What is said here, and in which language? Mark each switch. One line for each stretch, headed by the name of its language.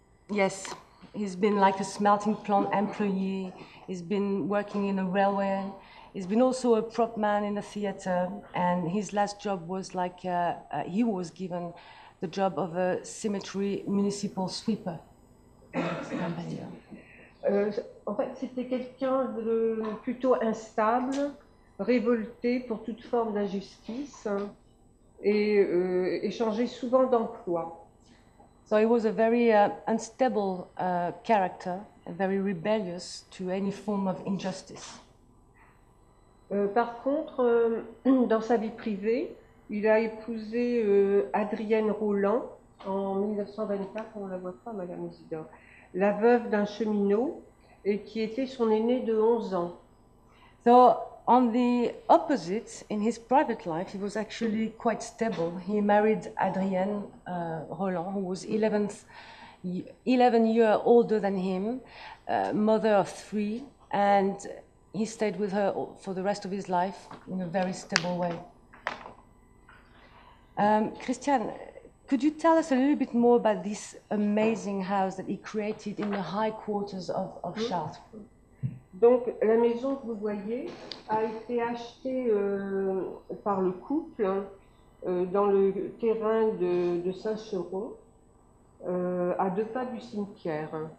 English: Yes, he's been like a smelting plant employee. He's been working in a railway. He's been also a prop man in a theater, and his last job was like he was given the job of a cemetery municipal sweeper.
French: En fait, c'était quelqu'un de plutôt instable, révolté pour toute forme d'injustice, et changeait souvent d'emploi.
English: So he was a very unstable character, very rebellious to any form of injustice.
French: Par contre, dans sa vie privée, il a épousé Adrienne Roland en 1924, on ne la voit pas, Madame Isidore, la veuve d'un cheminot, et qui était son aînée de 11 ans.
English: So, on the opposite, in his private life, he was actually quite stable. He married Adrienne Roland, who was 11 years older than him, mother of three, and he stayed with her for the rest of his life in a very stable way. Christiane, could you tell us a little bit more about this amazing house that he created in the high quarters of Chartres?
French: Donc, la maison que vous voyez a été achetée par le couple hein, dans le terrain de Saint-Cheron, à deux pas du cimetière.